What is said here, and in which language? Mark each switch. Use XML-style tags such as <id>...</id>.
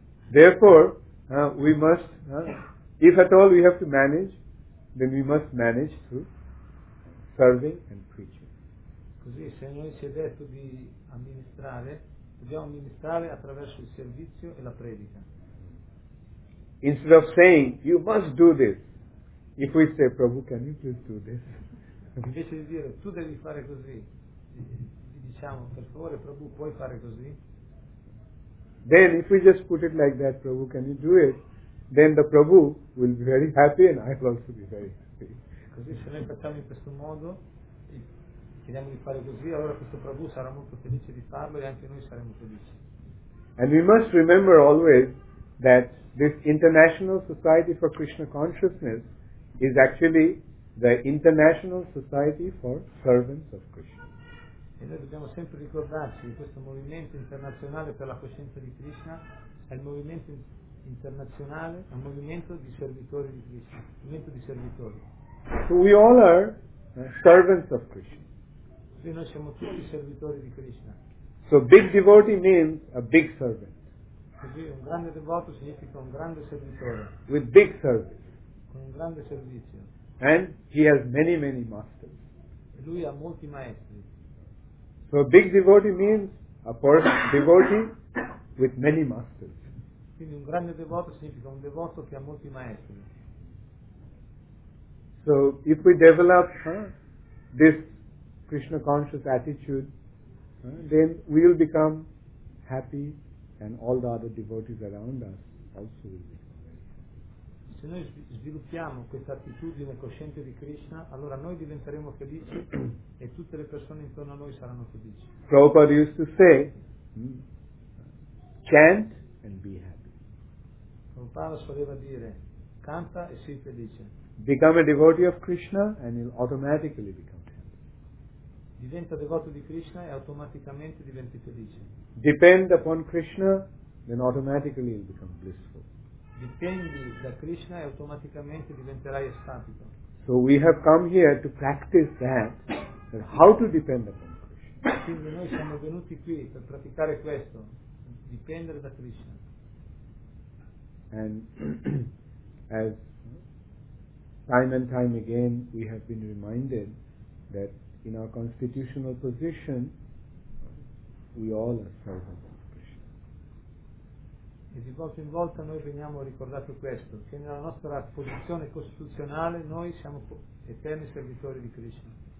<en>Therefore, we must, if at all we have to manage, then we must manage through serving and preaching.</en> <it>Così, se noi ci è detto di amministrare, dobbiamo amministrare attraverso il servizio e la predica.</it> <en>Instead of saying, you must do this, if we say, Prabhu, can you please do this?</en> <it>Invece di dire tu devi fare così, diciamo per favore Prabhu puoi fare così.</it> <en>Then if we just put it like that, Prabhu can you do it, then the Prabhu will be very happy and I will also be very happy.</en> <it>Così se noi facciamo in questo modo, chiediamo di fare così, allora questo Prabhu sarà molto felice di farlo e anche noi saremo felici.</it> <en>And we must remember always that this International Society for Krishna Consciousness is actually the International Society for Servants of Krishna.</en> <it>E noi dobbiamo sempre ricordarci di questo movimento internazionale per la coscienza di Krishna, è il movimento internazionale, è un movimento di servitori di Krishna, un movimento di servitori.</it> <en>So we all are servants of Krishna.</en> <it>Quindi noi siamo tutti servitori di Krishna.</it> <en>So big devotee means a big servant.</en> <it>Così un grande devoto significa un grande servitore.</it> <en>With big service.</en> <it>Con un grande servizio.</it> <en>And he has many, many masters.</en> <it>Lui ha molti maestri.</it> <en>So a big devotee means a devotee with many masters.</en> <it>Quindi un grande devoto significa un devoto che ha molti maestri.</it> <en>So if we develop this Krishna conscious attitude, then we will become happy and all the other devotees around us also will be.</en> <it>Se noi sviluppiamo questa attitudine cosciente di Krishna, allora noi diventeremo felici e tutte le persone intorno a noi saranno felici.</it> <en>Prabhupada used to say, chant and be happy.</en> <it>Prabhupada soleva dire, canta e sii felice.</it> <en>Become a devotee of Krishna and you'll automatically become happy.</en> <it>Diventa devoto di Krishna e automaticamente diventi felice.</it> <en>Depend upon Krishna, then automatically you'll become blissful.</en> <it>Dipendi da Krishna e automaticamente diventerai estatico.</it> <en>So we have come here to practice that how to depend upon Krishna.</en> <it>Quindi noi siamo venuti qui per praticare questo, dipendere da Krishna.</it> <en>And as time and time again we have been reminded that in our constitutional position we all are servants.</en> <it>E di volta in volta noi veniamo ricordati questo, che nella nostra posizione costituzionale noi siamo eterni servitori di Krishna.</it>